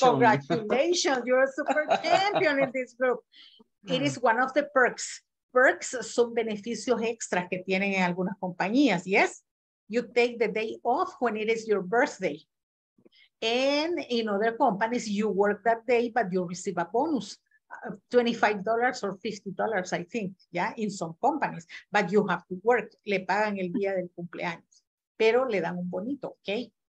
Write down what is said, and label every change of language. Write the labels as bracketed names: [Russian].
[English] Congratulations. You're a super champion in this group. It is one of the perks. [Spanish] perks son beneficios extras que tienen en algunas compañías. [English] Yes, you take the day off when it is your birthday. And in other companies, you work that day, but you receive a bonus, $25 or $50, I think, yeah, in some companies. But you have to work. [Spanish] Le pagan el día del cumpleaños, pero le dan un bonito, okay?